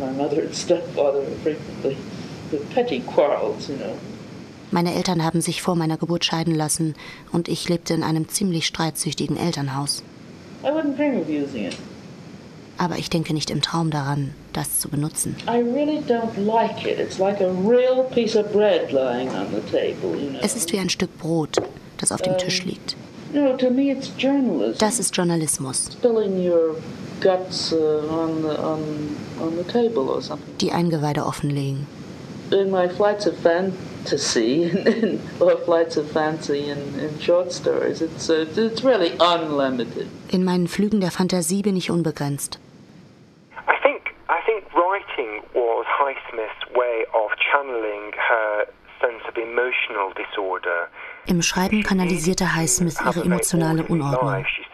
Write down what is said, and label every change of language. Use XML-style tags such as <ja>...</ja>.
<en>My mother and stepfather were frequently the petty quarrels, you know.</en> <de>Meine Eltern haben sich vor meiner Geburt scheiden lassen, und ich lebte in einem ziemlich streitsüchtigen Elternhaus.</de> <en>I wouldn't dream of using it.</en> <de>Aber ich denke nicht im Traum daran, das zu benutzen.</de> <en>I really don't like it. It's like a real piece of bread lying on the table, you know.</en> <de>Es ist wie ein Stück Brot, das auf dem Tisch liegt.</de> <en>You know, to me it's journalism.</en> <de>Das ist Journalismus.</de> <en>Spilling your guts on the table or something.</en> <de>Die Eingeweide offenlegen.</de> <en>In my flights of fantasy or flights of fancy in short stories, it's really unlimited.</en> <de>In meinen Flügen der Fantasie bin ich unbegrenzt.</de> <en>I think writing was Highsmith's way of channeling her sense of emotional disorder.</en> <de>Im Schreiben kanalisierte Highsmith ihre emotionale Unordnung.</de>